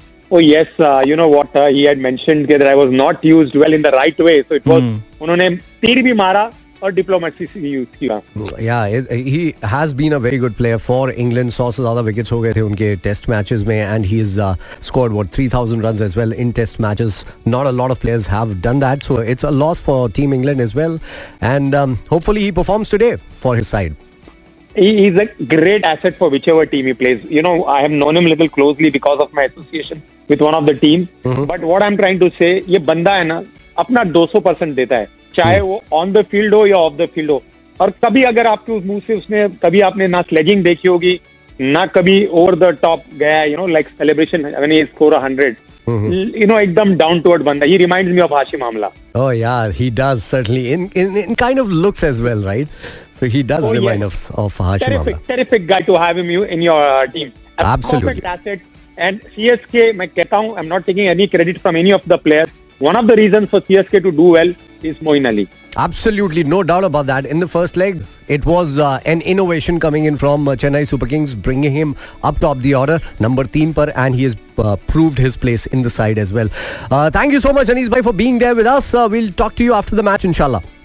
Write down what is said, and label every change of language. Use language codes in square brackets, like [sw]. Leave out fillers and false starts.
[en] Oh yes, you know what, he had mentioned that I was not used well in the right way. So it was [hi] उन्होंने तीर भी मारा और diplomacy से use किया. [en] Yeah, he has been a very good player for England. [hi] 100 से ज्यादा wickets हो गए थे उनके टेस्ट मैचेस में, [en] And he is scored what 3000 runs as well in test matches. Not a lot of players have done that, so it's a loss for team England as well, and hopefully he performs today for his side. He is a great asset for whichever team he plays. You know, I have known him little closely because of my association with one of the team, but what I am trying to say, [hi] ये बंदा है ना, अपना 200% देता है, चाहे वो ऑन द फील्ड हो [en] या off the field हो. [hi] और कभी अगर आपके उस मुंह से उसने कभी आपने ना स्लेजिंग देखी होगी, ना कभी ओवर द टॉप गया, [en] You know, like celebration, I mean he score 100, you know एकदम down to earth बंदा. He reminds me of Hashim Amla. Oh यार, he does certainly in kind of looks as well, right? So he does remind of Hashim Amla. Terrific terrific guy to have him you in your team. Absolutely asset. And CSK, [hi] मैं कहता हूं, [en] I am not taking any credit from any of the players. One of the reasons for CSK to do well is Moeen Ali. Absolutely, no doubt about that. In the first leg, it was an innovation coming in from Chennai Super Kings, bringing him up top the order, number 3 par, and he has proved his place in the side as well. Thank you so much, Anish bhai, for being there with us. We'll talk to you after the match, inshallah.